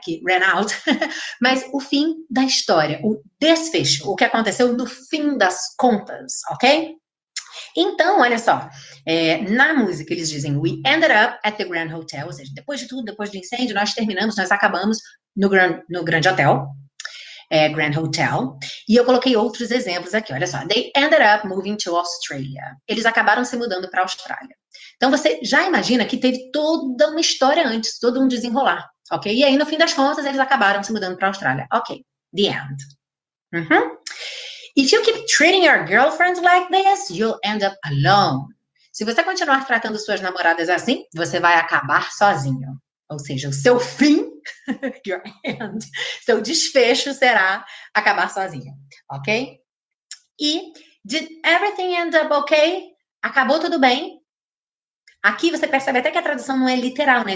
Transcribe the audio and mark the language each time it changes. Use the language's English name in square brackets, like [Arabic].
[Portuguese] Que ran out, mas o fim da história, o desfecho, o que aconteceu no fim das contas, ok? Então, olha só, na música eles dizem [English] we ended up at the Grand Hotel, [Portuguese] ou seja, depois de tudo, depois do incêndio, nós terminamos, nós acabamos no grande hotel, Grand Hotel. E eu coloquei outros exemplos aqui, olha só. [English] They ended up moving to Australia. [Portuguese] Eles acabaram se mudando para a Austrália. Então você já imagina que teve toda uma história antes, todo um desenrolar, Ok? E aí, no fim das contas, eles acabaram se mudando para a Austrália. [English] Ok. The end. If you keep treating your girlfriends like this, you'll end up alone. [Portuguese] Se você continuar tratando suas namoradas assim, você vai acabar sozinho. Ou seja, o seu fim, [English] your end, [Portuguese] seu desfecho será acabar sozinho. Ok? [English] E did everything end up okay? [Portuguese] Acabou tudo bem? Aqui você percebe até que a tradução não é literal, né?